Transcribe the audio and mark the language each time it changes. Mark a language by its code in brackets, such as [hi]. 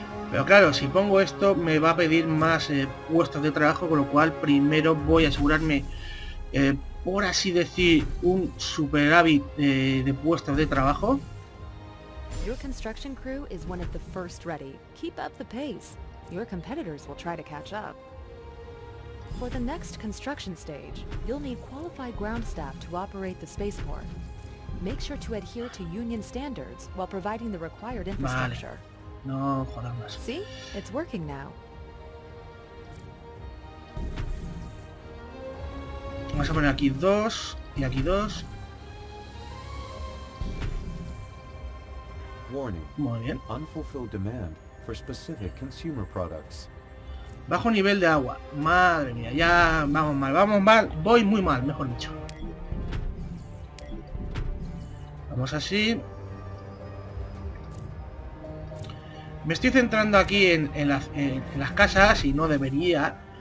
[es] Pero claro, si pongo esto me va a pedir más puestos de trabajo, con lo cual primero voy a asegurarme, por así decir, un superávit de puestos de trabajo. [en] Your construction crew is one of the first ready. Keep up the pace. Your competitors will try to catch up. For the next construction stage, you'll need qualified ground staff to operate the spaceport. Make sure to adhere to union standards while providing the required infrastructure. [es] Vale. No, joder más. [en] See? It's working now. [es] Vamos a poner aquí dos y aquí dos. [en] Warning. [es] Muy bien. [en] Unfulfilled demand for specific consumer products. [es] Bajo nivel de agua. Madre mía, ya vamos mal, vamos mal. Voy muy mal, mejor dicho. Vamos así. Me estoy centrando aquí en las casas y no debería.